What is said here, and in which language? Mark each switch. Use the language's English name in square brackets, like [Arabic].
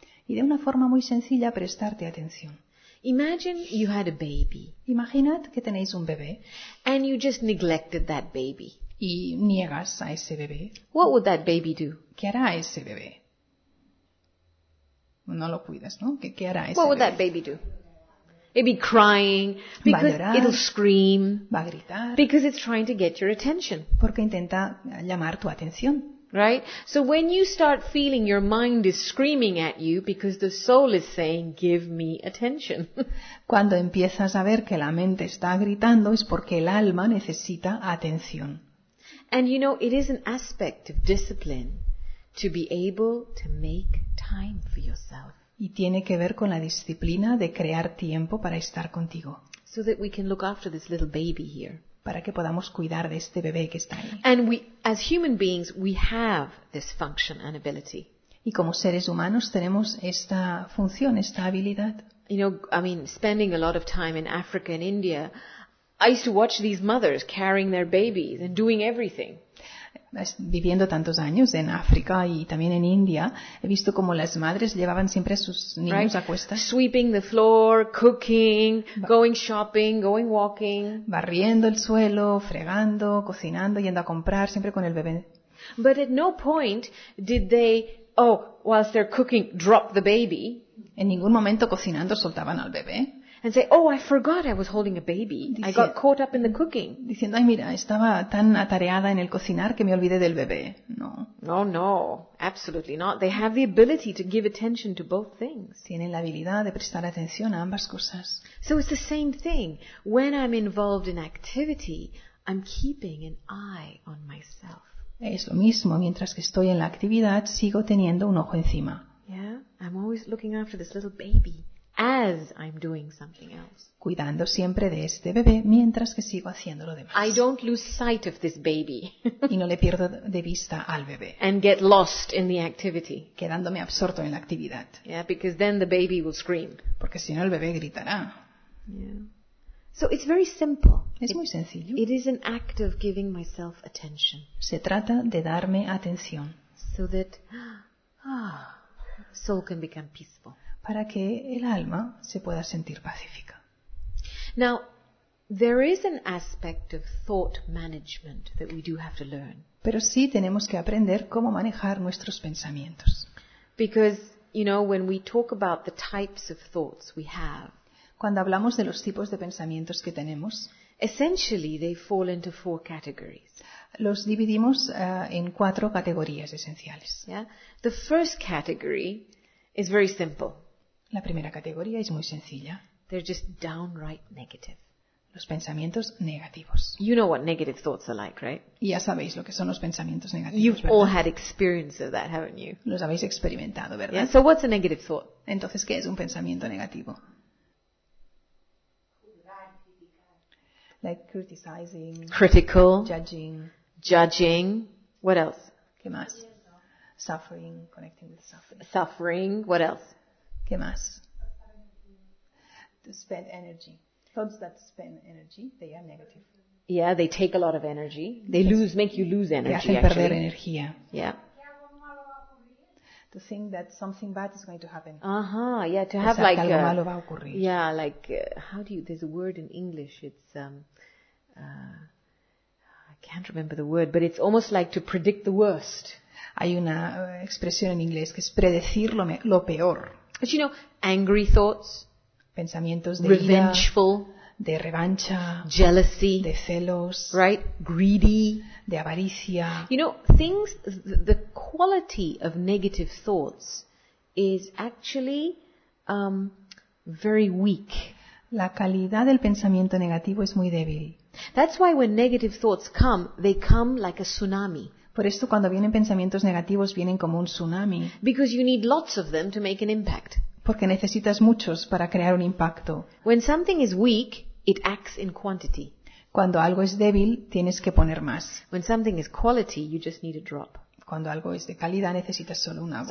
[Spanish] Y de una forma muy sencilla, prestarte atención. [English] Imagine you had a baby. [Spanish] Imaginad que tenéis un bebé. [English] And you just neglected that baby. [Spanish] Y niegas a ese bebé. [English] What would that baby do? [Spanish] ¿Qué hará ese bebé? No lo cuidas, ¿no? ¿Qué hará ese [English] What would [Spanish] bebé? [English] That baby do? It'd be crying because it'll scream. [Spanish] Va a gritar. [English] Because it's trying to get your attention. [Spanish] Porque intenta llamar tu atención. [English] Right? So when you start feeling your mind is screaming at you because the soul is saying, give me attention. [Spanish] Cuando empiezas a ver que la mente está gritando es porque el alma necesita atención. [English] And you know, it is an aspect of discipline to be able to make time for yourself. [Spanish] Y tiene que ver con la disciplina de crear tiempo para estar contigo. [English] So that we can look after this little baby here. [Spanish] Para que podamos cuidar de este bebé que está ahí. [English] And we, as human beings, we have this function and ability. [Spanish] Y como seres humanos tenemos esta función, esta habilidad. [English] You know, I mean, spending a lot of time in Africa and India, I used to watch these mothers carrying their babies and doing everything. [Spanish] Viviendo tantos años en África y también en India, he visto cómo las madres llevaban siempre a sus niños [English] right? [Spanish] a cuestas. [English] Sweeping the floor, cooking, going shopping, going walking. [Spanish] Barriendo el suelo, fregando, cocinando, yendo a comprar, siempre con el bebé. [English] But at no point did they, whilst they're cooking, drop the baby. [Spanish] En ningún momento cocinando soltaban al bebé. [English] And say, I forgot I was holding a baby. I got caught up in the cooking. [Spanish] Diciendo, ay, mira, estaba tan atareada en el cocinar que me olvidé del bebé. No. [English] No, absolutely not. They have the ability to give attention to both things. Tienen la habilidad de prestar atención a ambas cosas. So it's the same thing. When I'm involved in activity, I'm keeping an eye on myself. [Spanish] Es lo mismo. Mientras que estoy en la actividad, sigo teniendo un ojo encima. [English] Yeah, I'm always looking after this little baby. As I'm doing something else. [Spanish] Cuidando siempre de este bebé mientras que sigo haciendo lo demás. [English] I don't lose sight of this baby. [Spanish] Y no le pierdo de vista al bebé. [English] And get lost in the activity. [Spanish] Quedándome absorto en la actividad. [English] Yeah, because then the baby will scream. [Spanish] Porque si no el bebé gritará. [English] Yeah. So it's very simple. [Spanish] Es muy sencillo. [English] It is an act of giving myself attention. [Spanish] Se trata de darme atención. [English] So that soul can become peaceful. [Spanish] Para que el alma se pueda sentir pacífica. [English] Now, there is an aspect of thought management that we do have to learn. [Spanish] Pero sí tenemos que aprender cómo manejar nuestros pensamientos. [English] Because, you know, when we talk about the types of thoughts we have, [Spanish] cuando hablamos de los tipos de pensamientos que tenemos, [English] essentially they fall into four categories. [Spanish] Los dividimos en cuatro categorías esenciales. [English] Yeah? The first category is very simple. [Spanish] La primera categoría es muy sencilla. [English] They're just downright negative. [Spanish] Los pensamientos negativos. [English] You know what negative thoughts are like, right? [Spanish] Ya sabéis lo que son los pensamientos negativos, [English] You've [Spanish] ¿verdad? [English] All had experience of that, haven't you? [Spanish] Los habéis experimentado, ¿verdad? [English] Yeah, so what's a negative thought? [Spanish] Entonces, ¿qué es un pensamiento negativo? [English] Like criticizing. Critical. Judging. Judging. What else? [Spanish] ¿Qué más? [English] Suffering, connecting with suffering. Suffering, what else? [Spanish] ¿Qué más? [English] To spend energy. Thoughts that spend energy, they are negative. Yeah, they take a lot of energy. They lose, make you lose energy, actually. Te hacen perder energía. Yeah. To think that something bad is going to happen. Uh-huh, yeah, to have like [Spanish] algo malo va a ocurrir. [English] Yeah, like, how do you, there's a word in English, it's, I can't remember the word, but it's almost like to predict the worst. [Spanish] Hay una expresión en inglés que es predecir lo peor. [English] But you know, angry thoughts, [Spanish] pensamientos de [English] revengeful, [Spanish] ira, de revancha, [English] jealousy, [Spanish] de celos, [English] right? Greedy, [Spanish] de avaricia. [English] You know, things, the quality of negative thoughts is actually very weak. [Spanish] La calidad del pensamiento negativo es muy débil. [English] That's why when negative thoughts come, they come like a tsunami. [Spanish] Por esto cuando vienen pensamientos negativos vienen como un tsunami. [English] Because you need lots of them to make an impact. [Spanish] Porque necesitas muchos para crear un impacto. [English] When something is weak, it acts in quantity. [Spanish] Cuando algo es débil, tienes que poner más. [English] When something is quality, you just need a drop. [Spanish] Cuando algo es de calidad, necesitas solo una gota.